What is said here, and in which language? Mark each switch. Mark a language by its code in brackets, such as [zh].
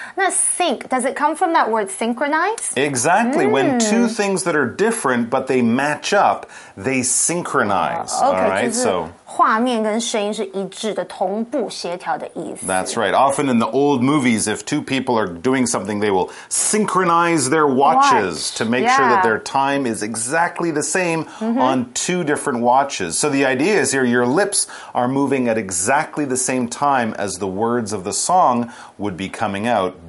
[en] 那 sync, does it come from that word synchronize? Exactly, when two things that are different but they match up, they synchronize. [zh] Okay, 画面跟声音是一致的，同步协调的意思。 [en] That's right. Often in the old movies, if two people are doing something, they will synchronize their watches to make sure that their time is exactly the same on two different watches. So the idea is here, your lips are moving at exactly the same time as the words of the song would be coming out.